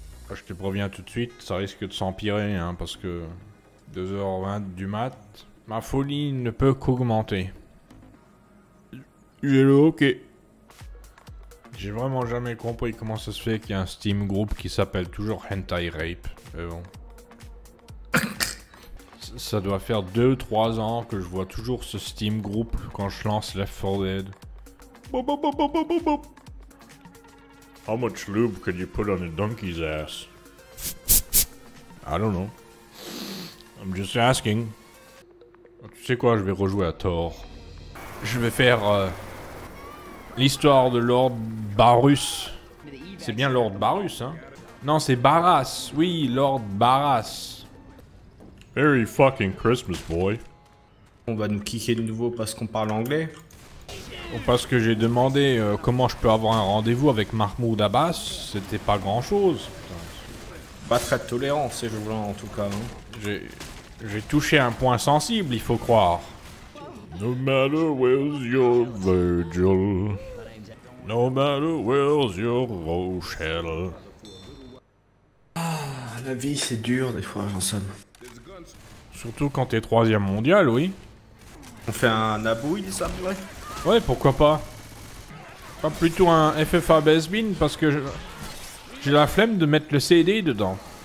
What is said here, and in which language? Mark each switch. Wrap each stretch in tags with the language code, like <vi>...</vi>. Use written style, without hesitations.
<fr>Je te préviens tout de suite, ça risque de s'empirer, hein, parce que 2h20 du mat, ma folie ne peut qu'augmenter. J'ai le hockey. J'ai vraiment jamais compris comment ça se fait qu'il y a un Steam group qui s'appelle toujours Hentai Rape. Mais bon. Ça doit faire 2-3 ans que je vois toujours ce Steam group quand je lance Left 4 Dead.</fr> <en>How much lube can you put on a donkey's ass? I don't know. I'm just asking.</en> <fr>Tu sais quoi, je vais rejouer à Thor. Je vais faire... l'histoire de Lord Barus. C'est bien Lord Barus, hein? Non, c'est Barras. Oui, Lord Barras.</fr> <en>Merry fucking Christmas, boy.</en> <fr>On va nous kicker de nouveau parce qu'on parle anglais? Ou parce que j'ai demandé comment je peux avoir un rendez-vous avec Mahmoud Abbas? C'était pas grand-chose. Pas très tolérant, ces gens-là, en tout cas. Hein. J'ai touché un point sensible, il faut croire.</fr> <en>No matter where's your Virgil, no matter where's your Rochelle.</en> <fr>Ah, la vie c'est dur des fois, Johnson. Surtout quand t'es troisième mondial, oui. On fait un Abouil, ça, ouais. Ouais, pourquoi pas. Pas plutôt un FFA Besbin, parce que j'ai la flemme de mettre le CD dedans.</fr>